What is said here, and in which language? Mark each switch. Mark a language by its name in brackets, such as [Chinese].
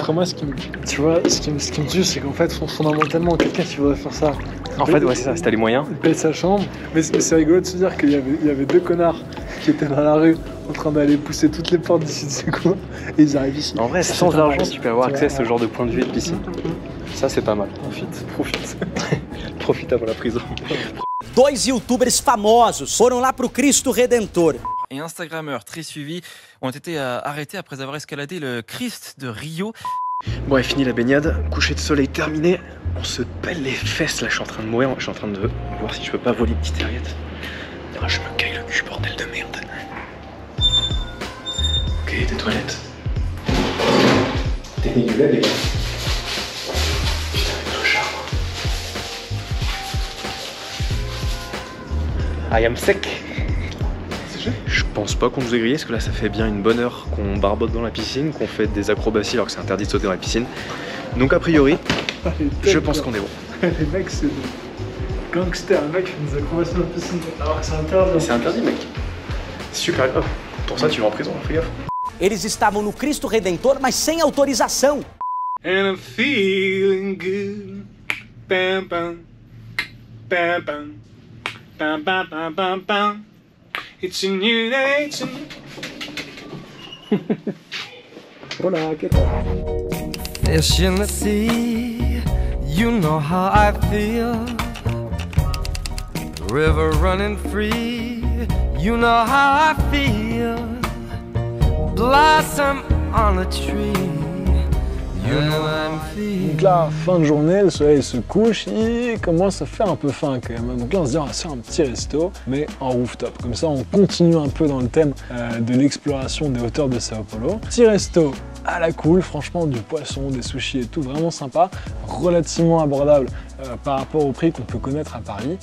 [French] Après moi, ce qui me tue, c'est qu'en fait, fondamentalement, quelqu'un qui voudrait faire ça. C'est ça, si t'as les moyens. Paye sa chambre. Mais c'est rigolo de se dire qu'il y avait deux connards qui étaient dans la rue en train d'aller pousser toutes les portes d'ici de ce coin et ils arrivent ici. En vrai, sans argent, tu peux avoir accès à ce genre de point de vue de piscine. Ça, c'est pas mal. Profite. Profite avant la prison. [Portuguese] Dois youtubers famosos foram lá pro Cristo Redentor. [French] Et instagrammeurs très suivis ont été arrêtés après avoir escaladé le Christ de Rio. Bon, et fini la baignade, coucher de soleil terminé. On se pèle les fesses là, je suis en train de mourir, je suis en train de voir si je peux pas voler une petite arriette. Ah, je me caille le cul, bordel de merde. Ok, des toilettes. T'es dégueulé, les gars. [English] I am sec. [French] Je pense pas qu'on nous ait grillé, parce que là ça fait bien une bonne heure qu'on barbote dans la piscine, qu'on fait des acrobaties alors que c'est interdit de sauter dans la piscine. Donc a priori, je pense qu'on est bon. Les mecs, c'est des gangsters, mec, fait des acrobaties dans la piscine alors que c'est interdit. C'est interdit, mec. C'est super grave. Pour ça, tu vas en prison, fais gaffe. [Portuguese] Eles estavam no Cristo Redentor, mas sem autorização. [English] And I'm feeling good. Pam pam. Pam pam. Bam bam bam bam bam. It's a new day. [Spanish] Hola, ¿qué tal? [English] Fish in the sea, you know how I feel. River running free, you know how I feel. Blossom on a tree, [French] Donc là, fin de journée, le soleil se couche, il commence à faire un peu faim quand même. Donc là, on se dit, on va faire un petit resto, mais en rooftop. Comme ça, on continue un peu dans le thème de l'exploration des hauteurs de Sao Paulo. Petit resto à la cool, franchement, du poisson, des sushis et tout, vraiment sympa, relativement abordable par rapport au prix qu'on peut connaître à Paris.